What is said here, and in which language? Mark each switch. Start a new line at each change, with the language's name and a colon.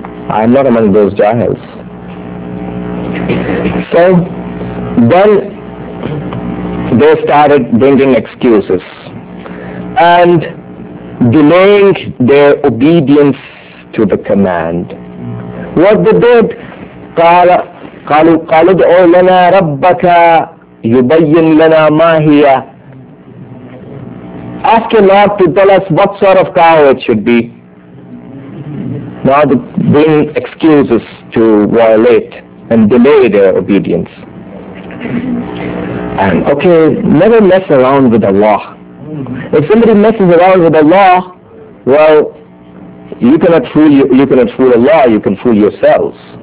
English: I am not among those jahils. So then they started bringing excuses and delaying their obedience to the command. What they did,
Arabic: قَالُوا ادْعُوا لَنَا رَبَّكَ يُبَيِّن لَنَا مَا هِيَ.
English: Ask your Lord to tell us what sort of cow it should be. Now they bring excuses to violate and delay their obedience. And okay, never mess around with Allah. If somebody messes around with Allah, well, you cannot fool Allah, you can fool yourselves.